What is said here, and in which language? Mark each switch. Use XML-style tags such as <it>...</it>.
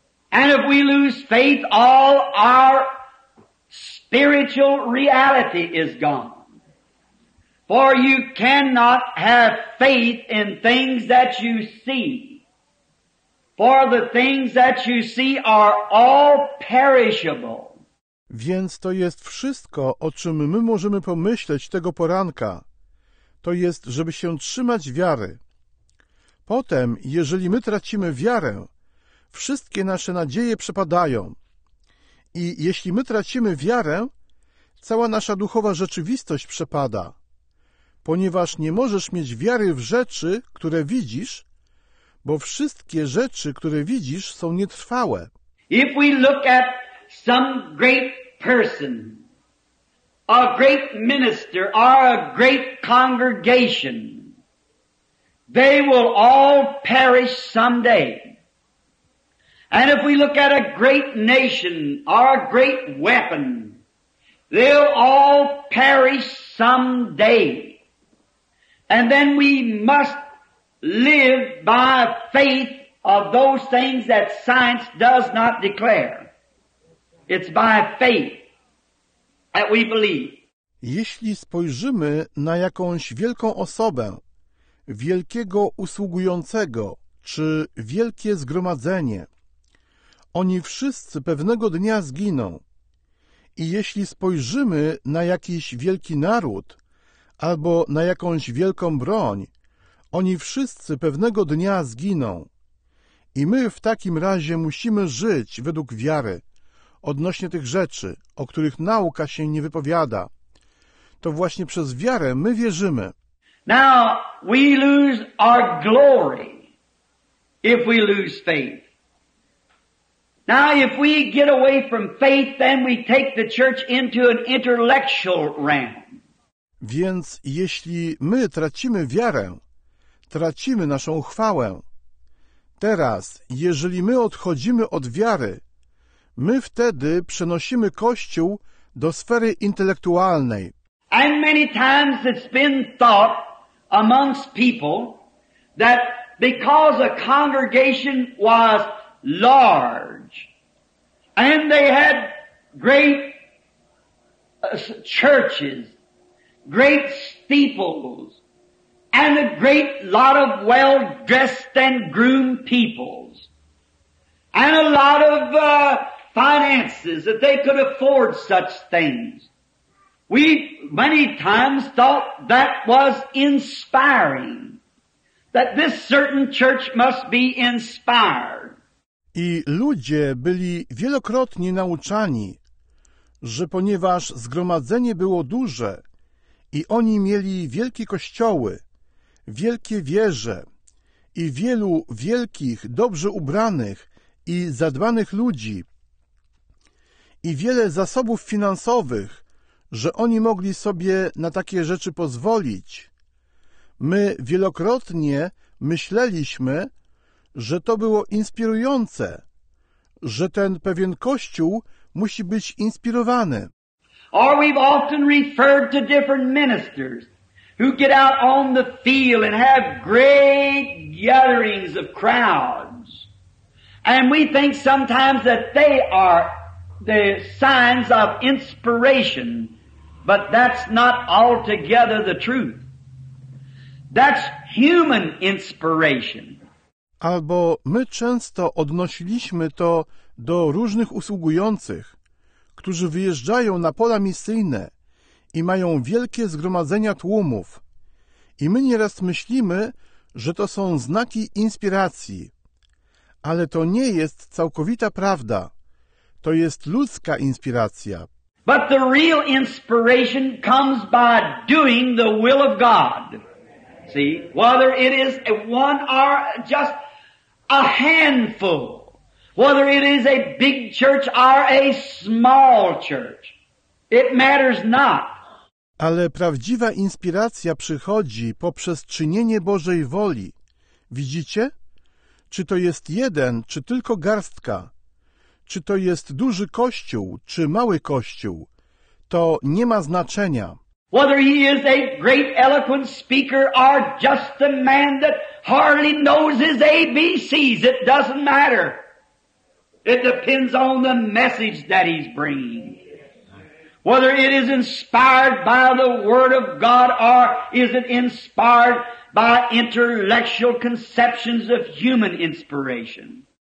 <en>And if we lose faith, all our spiritual reality is gone. For you cannot have faith in things that you see. For the things that you see are all perishable.</en> <pl>Więc to jest wszystko, o czym my możemy pomyśleć tego poranka. To jest, żeby się trzymać wiary. Potem, jeżeli my tracimy wiarę, wszystkie nasze nadzieje przepadają. I jeśli my tracimy wiarę, cała nasza duchowa rzeczywistość przepada. Ponieważ nie możesz mieć wiary w rzeczy, które widzisz, bo wszystkie rzeczy, które widzisz, są nietrwałe.</pl> <en>If we look at some great person, a great minister, or a great congregation, they will all perish someday. And if we look at a great nation, or a great weapon, they'll all perish someday. And then we must live by faith of those things that science does not declare. It's by faith that we believe.</en> <pl>Jeśli spojrzymy na jakąś wielką osobę, wielkiego usługującego, czy wielkie zgromadzenie, oni wszyscy pewnego dnia zginą. I jeśli spojrzymy na jakiś wielki naród, albo na jakąś wielką broń, oni wszyscy pewnego dnia zginą. I my w takim razie musimy żyć według wiary odnośnie tych rzeczy, o których nauka się nie wypowiada. To właśnie przez wiarę my wierzymy.</pl> <en>Now we lose our glory if we lose faith. Now if we get away from faith, then we take the church into an intellectual realm.</en> <pl>Więc jeśli my tracimy wiarę, tracimy naszą chwałę. Teraz, jeżeli my odchodzimy od wiary, my wtedy przenosimy Kościół do sfery intelektualnej.</pl> <en>And many times it's been thought amongst people that because a congregation was large and they had great churches, great steeples, and a great lot of well-dressed and groomed peoples, and a lot of finances, that they could afford such things. We many times thought that was inspiring, that this certain church must be inspired.</en> <pl>I ludzie byli wielokrotnie nauczani, że ponieważ zgromadzenie było duże, i oni mieli wielkie kościoły, wielkie wieże i wielu wielkich, dobrze ubranych i zadbanych ludzi i wiele zasobów finansowych, że oni mogli sobie na takie rzeczy pozwolić. My wielokrotnie myśleliśmy, że to było inspirujące, że ten pewien kościół musi być inspirowany.</pl> <en>Or we've often referred to different ministers who get out on the field and have great gatherings of crowds. And we think sometimes that they are the signs of inspiration, but that's not altogether the truth. That's human inspiration.</en> <pl>Albo my często odnosiliśmy to do różnych usługujących, którzy wyjeżdżają na pola misyjne i mają wielkie zgromadzenia tłumów. I my nieraz myślimy, że to są znaki inspiracji. Ale to nie jest całkowita prawda. To jest ludzka inspiracja.</pl> <en>But the real inspiration comes by doing the will of God. See, whether it is one or just a handful, whether it is a big church or a small church, it matters not.</en> <pl>Ale prawdziwa inspiracja przychodzi poprzez czynienie Bożej woli. Widzicie? Czy to jest jeden, czy tylko garstka? Czy to jest duży kościół, czy mały kościół? To nie ma znaczenia.</pl> <en>Whether he is a great eloquent speaker or just a man that hardly knows his ABCs, it doesn't matter. It depends on the message that he's bringing. Whether it is inspired by the Word of God or is it inspired by intellectual conceptions of human inspiration.</en>